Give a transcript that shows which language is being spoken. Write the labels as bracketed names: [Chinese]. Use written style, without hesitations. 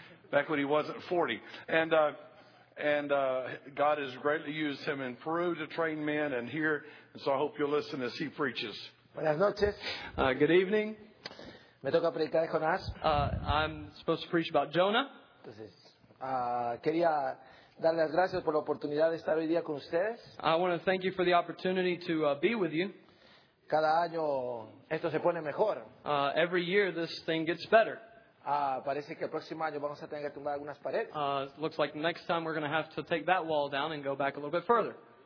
[English] Back when he wasn't 40. And God has greatly used him in Peru to train men and here. And so I hope you'll listen as he preaches. [Spanish] Buenas noches. [English] Good evening. [Spanish] Me toca predicar con Jonás. [English] I'm supposed to preach about Jonah. [Spanish] Entonces, quería dar las gracias por la oportunidad de estar hoy día con ustedes. [English] I want to thank you for the opportunity to be with you. [Spanish] Cada año esto se pone mejor. [English] Every year this thing gets better. [Spanish] Parece que el próximo año vamos a tener que tumbar algunas paredes. [English] Looks like next time we're going to have to take that wall down and go back a little bit further.